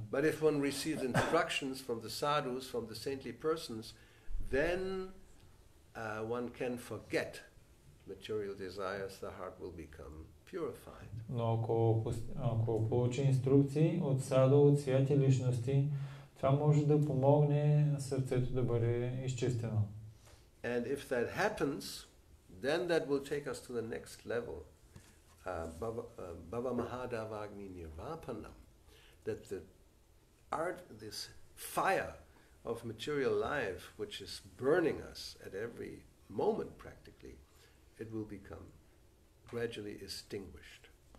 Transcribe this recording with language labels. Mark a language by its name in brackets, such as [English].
[English] But if one receives instructions from the sadhus, from the saintly persons, then one can forget material desires, the heart will become purified. [Bulgarian] Но ако получи инструкции от садо, от святи личности, това може да помогне сърцето да бъде изчистено. [English] And if that happens, then that will take us to the next level. [Sanskrit] Bhava Mahadava Agni Nirvapanam, [English] that the art, this fire of material life, which is burning us at every moment practically, it will become gradually extinguished.